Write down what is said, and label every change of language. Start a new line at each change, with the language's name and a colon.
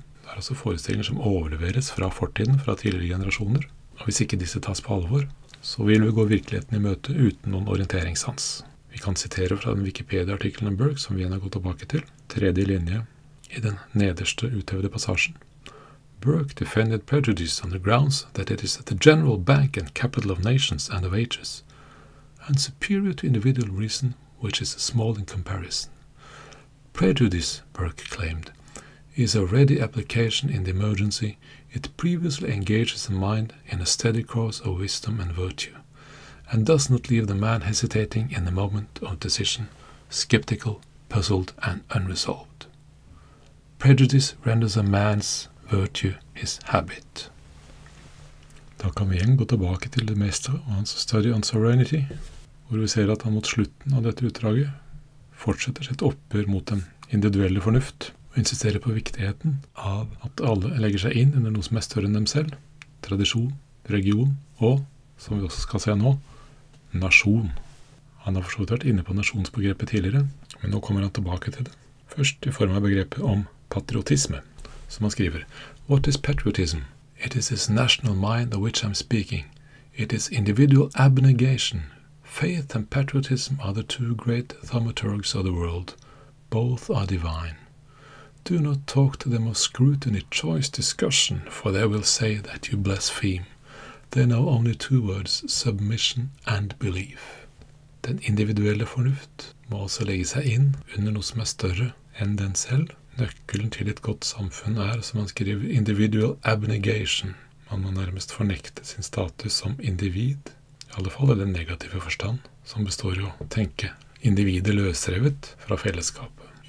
Norwegian: Det er altså forestillinger som overleveres fra fortiden, fra tidligere generasjoner. Og hvis ikke disse tas på alvor, så vil vi gå virkeligheten i møte uten noen orienteringssans. Vi kan sitere fra den Wikipedia-artiklen om Burke som vi igjen har gått tilbake til, tredje linje i den nederste utøvede passasjen.
English: Burke defended prejudice on the grounds that it is the general bank and capital of nations and of ages, and superior to individual reason, which is small in comparison. Prejudice, Burke claimed, is a ready application in the emergency. It previously engages the mind in a steady course of wisdom and virtue, and does not leave the man hesitating in the moment of decision, skeptical, puzzled, and unresolved. Prejudice renders a man's virtue his habit.
Norwegian: Da kan vi igjen gå tilbake til det mestre og hans
English: study on sovereignty,
Norwegian: hvor vi ser at han mot slutten av dette utdraget fortsetter sitt oppgjør mot den individuelle fornuft, og insisterer på viktigheten av at alle legger seg inn under noe som er større enn dem selv, tradisjon, region og, som vi også skal se nå, nasjon. Han har forstått vært inne på nasjonsbegrepet tidligere, men nå kommer han tilbake til det. Først i form av begrepet om patriotisme, som han skriver,
English: «What is patriotism? It is this national mind of which I'm speaking. It is individual abnegation. Faith and patriotism are the two great thaumaturgs of the world. Both are divine. Do not talk to them of scrutiny, choice, discussion, for they will say that you blaspheme. They know only two words, submission and belief.»
Norwegian: Den individuelle fornuft må altså legge seg inn under noe som er større enn den selv. Nøkkelen til et godt samfunn er, som han skriver,
English: individual abnegation.
Norwegian: Man må nærmest fornekte sin status som individ. I alle fall er det negative forstand, som består i å tenke individet løsrevet fra fellesskapet.